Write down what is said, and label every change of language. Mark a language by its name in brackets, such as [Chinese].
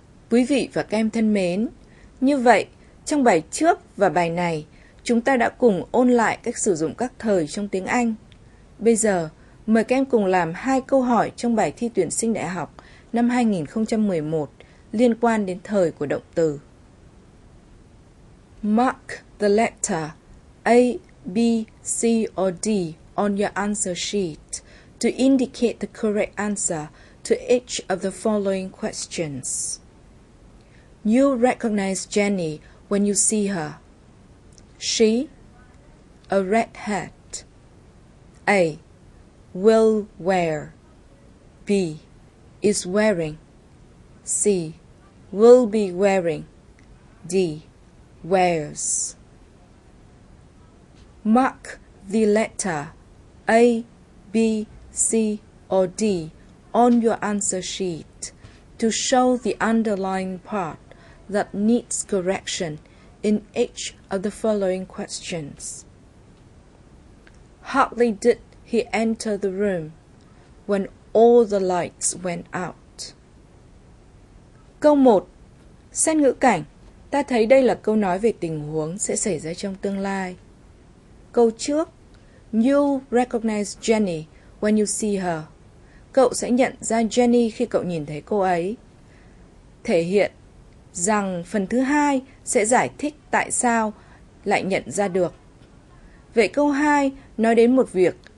[Vietnamese] Quý vị và các em thân mến, như vậy, trong bài trước và bài này, chúng ta đã cùng ôn lại cách sử dụng các thời trong tiếng Anh. Bây giờ, mời các em cùng làm hai câu hỏi trong bài thi tuyển sinh đại học năm 2011 liên quan đến thời của động từ. [English] Mark the letter A, B, C or D on your answer sheet to indicate the correct answer to each of the following questions. You recognize Jenny when you see her. She, a red hat. A, will wear. B, is wearing. C, will be wearing. D, wears. Mark the letter A, B, C, or D on your answer sheet to show the underlying part that needs correction in each of the following questions. Hardly did he enter the room when all the lights went out. [Vietnamese] Câu 1. Xét ngữ cảnh. Ta thấy đây là câu nói về tình huống sẽ xảy ra trong tương lai. Câu trước. [English] You recognize Jenny when you see her. [Vietnamese] Cậu sẽ nhận ra Jenny khi cậu nhìn thấy cô ấy. Thể hiện rằng phần thứ hai sẽ giải thích tại sao lại nhận ra được. Vậy câu 2 nói đến một việc